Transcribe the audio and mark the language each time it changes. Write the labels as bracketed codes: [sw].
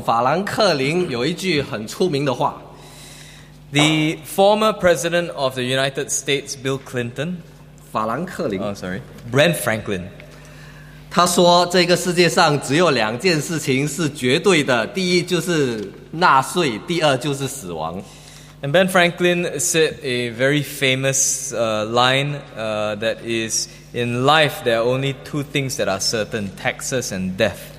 [zh] 美国前总统法兰克林有一句很出名的话。 [en] The former president of the United States, Bill Clinton. [zh] 法兰克林。 [en] Oh, sorry. Ben Franklin. [zh] 他说这个世界上只有两件事情是绝对的，第一就是纳税，第二就是死亡。 [en] And Ben Franklin said a very famous line that is, "In life, there are only two things that are certain, taxes and death."